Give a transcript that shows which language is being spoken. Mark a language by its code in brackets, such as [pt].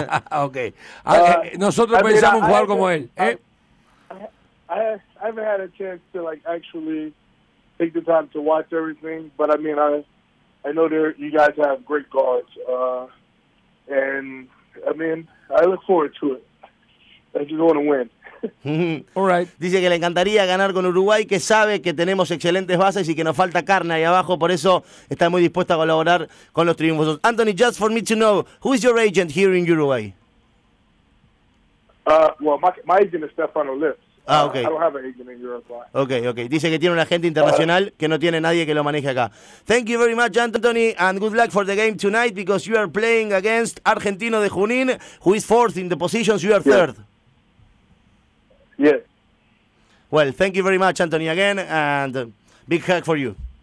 [es] Okay. Nosotros pensamos jugar como él. [en] I haven't had a chance to, like, actually take the time to watch everything, but, I mean, I know there you guys have great guards, and, I mean, I look forward to it. I just want to win. All right. [es] Dice que le encantaría ganar con Uruguay, que sabe que tenemos excelentes bases y que nos falta carne ahí abajo, por eso está muy dispuesto a colaborar con los triunfos. [en] Anthony, just for me to know, who is your agent here in Uruguay? My agent is Stefano Lips. Ah, okay. I don't have an agent in Uruguay. Okay. [es] Dice que tiene un agente internacional que no tiene nadie que lo maneje acá. [en] Thank you very much, Anthony, and good luck for the game tonight because you are playing against Argentino de Junín, who is fourth in the positions, you are third. Yes. Well, thank you very much, Anthony, again, and big hug for you.